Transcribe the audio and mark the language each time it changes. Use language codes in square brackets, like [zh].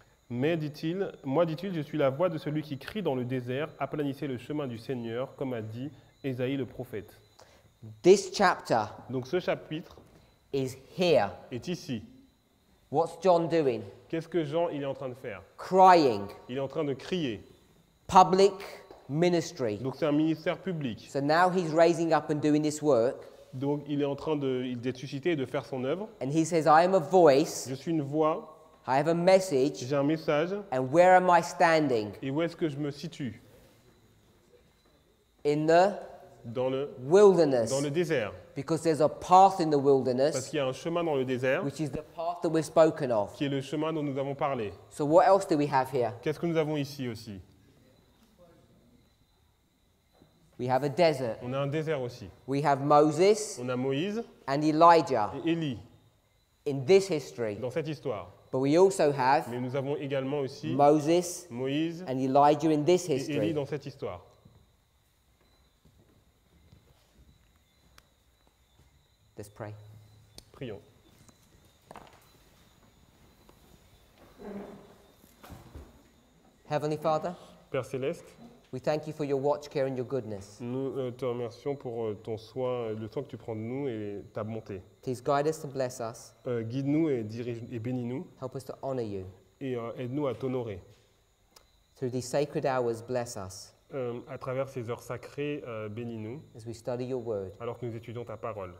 [fr] Mais dit-il, moi dit-il, je suis la voix de celui qui crie dans le désert, aplanissez le chemin du Seigneur, comme a dit Ésaïe le prophète. [en] This chapter, [fr] donc ce chapitre, [en] is here. [fr] Est ici. [en] What's John doing? [fr] Qu'est-ce que Jean il est en train de faire? [en] Crying. [fr] Il est en train de crier. [en] Public ministry. [fr] Donc c'est un ministère public. [en] So now he's raising up and doing this work. [fr] Donc il est en train de d'être suscité et de faire son œuvre. [en] And he says, I am a voice. [fr] Je suis une voix. [en] I have a message. [fr] J'ai un message. [en] And where am I standing? [fr] Et où est-ce que je me situe? [en] In the [fr] dans le [en] wilderness. [fr] Dans le désert. [en] Because there's a path in the wilderness. [fr] Parce qu'il y a un chemin dans le désert. [en] Which is the path that we've spoken of. [fr] Qui est le chemin dont nous avons parlé. [en] So what else do we have here? [fr] Qu'est-ce que nous avons ici aussi? [en] We have a desert. [fr] On a un désert aussi. [en] We have Moses. [fr] On a Moïse. [en] And Elijah. [fr] Et Élie. [en] In this history. [fr] Dans cette histoire. [en] But we also have. [fr] Mais nous avons également aussi. [en] Moses. [fr] Moïse. [en] And Elijah in this history. [fr] Et Élie dans cette histoire. [en] Let's pray. [fr] Prions. [en] Heavenly Father. [fr] Père céleste. [en] We thank you for your watch care and your goodness. [fr] Nous te remercions pour ton soin, le soin que tu prends de nous et ta bonté. [en] Please guide us and bless us. [fr] Guide-nous et dirige et bénis-nous. [en] Help us to honor you. [fr] Et aide-nous à t'honorer. [en] Through these sacred hours, bless us. [fr] À travers ces heures sacrées, bénis-nous. [en] As we study your word. [fr] Alors que nous étudions ta parole.